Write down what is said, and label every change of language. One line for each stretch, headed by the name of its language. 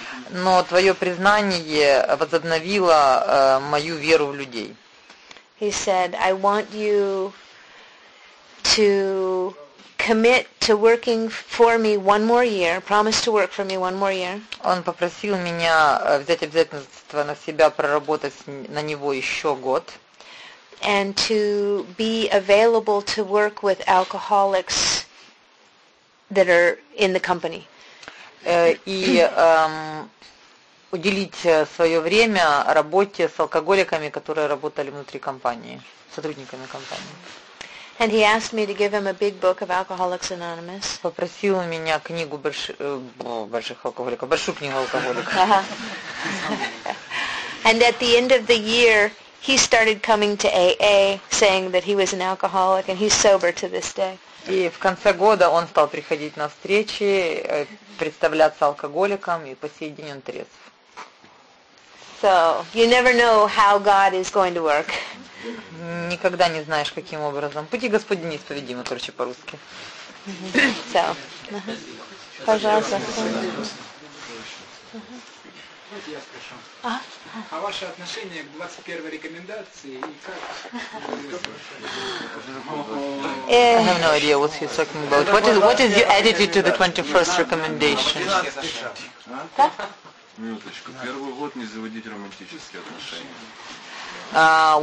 Russian: Но твое признание возобновило мою веру в людей.
English: He said, I want you to commit to working for me one more year, promise to work for me one more year.
Russian: Он попросил меня взять обязательство на себя проработать на него еще год.
English: And to be available to work with alcoholics that are in the company.
Russian: И уделить свое время работе с алкоголиками, которые работали внутри компании, сотрудниками компании.
English: And he asked me to give him a big book of Alcoholics Anonymous.
Russian: Попросил у меня книгу больших алкоголиков, большую книгу алкоголиков.
English: And at the end of the year, he started coming to AA, saying that he was an alcoholic, and he's sober to this day.
Russian: И в конце года он стал приходить на встречи, представляться алкоголиком, и по сей день он трезв.
English: So you never know how God is going to work.
Russian: Никогда не знаешь, каким образом. Пути Господни неисповедимы, короче, по-русски.
English: So,
Russian: пожалуйста. А ваше отношение к 21 рекомендации и как?
English: I have no idea what he's talking about. What is your attitude to the 21st recommendation?
Russian: Минуточку. Первый год не заводить романтические отношения.